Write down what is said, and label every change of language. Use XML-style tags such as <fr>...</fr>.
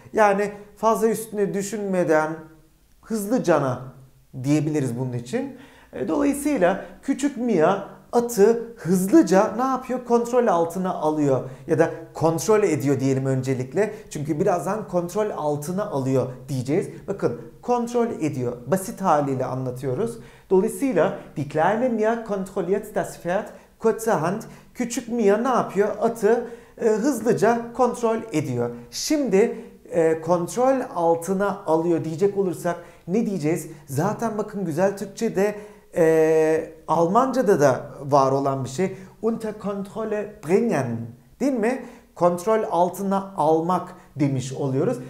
<tr>Yani fazla üstünde düşünmeden hızlı cana diyebiliriz bunun için. Dolayısıyla küçük Mia atı hızlıca ne yapıyor? Kontrol altına alıyor, ya da kontrol ediyor diyelim öncelikle. Çünkü birazdan kontrol altına alıyor diyeceğiz. Bakın kontrol ediyor, basit haliyle anlatıyoruz. Dolayısıyla</tr> <de>die kleine Mia kontrolliert das Pferd kurzerhand.</de> <tr>Küçük Mia ne yapıyor? Atı hızlıca kontrol ediyor. Şimdi kontrol altına alıyor diyecek olursak ne diyeceğiz? Zaten bakın güzel Türkçe'de Almanca'da da var olan bir şey.</tr> <de>Unter Kontrolle bringen,</de> <tr>değil mi? Kontrol altına almak demiş oluyoruz.</tr>